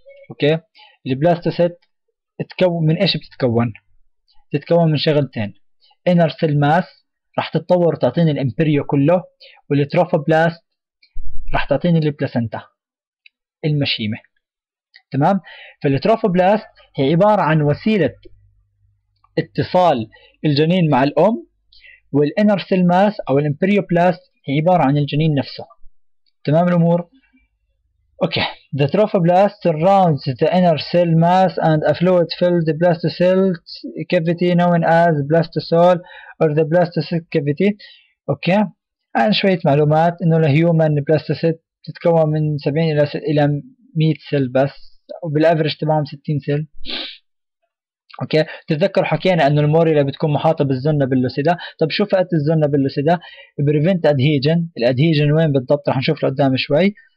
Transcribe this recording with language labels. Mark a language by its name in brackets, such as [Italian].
[Arabic] اوكي، البلاستوسيت تتكون من ايش؟ بتتكون، تتكون من شغلتين، inner cell mass راح تتطور وتعطيني الامبريو كله، والتروفوبلاست راح تعطيني البلاسنتا المشيمة، تمام. فالتروفوبلاست هي عبارة عن وسيلة اتصال الجنين مع الأم، والinner cell mass أو الامبريوبلاست هي عبارة عن الجنين نفسه، تمام الأمور. [English] Okay, the trophoblast surrounds the inner cell mass and a fluid filled the blastocyst cavity known as blastocoel or the blastocyst cavity. [Arabic] اوكي، عن شويه معلومات انه الهيومن بلاستوسيت تتكون من 70 الى 100 سيل بس، وبالافرج تبعهم 60 سيل. اوكي، تتذكروا حكينا انه الموريلا بتكون محاطه بالزنه باللوسيدا. طب شو فئه الزنه باللوسيدا؟ بريفنت ادهيجن. الادهيجن وين بالضبط؟ رح نشوف لقدام شوي.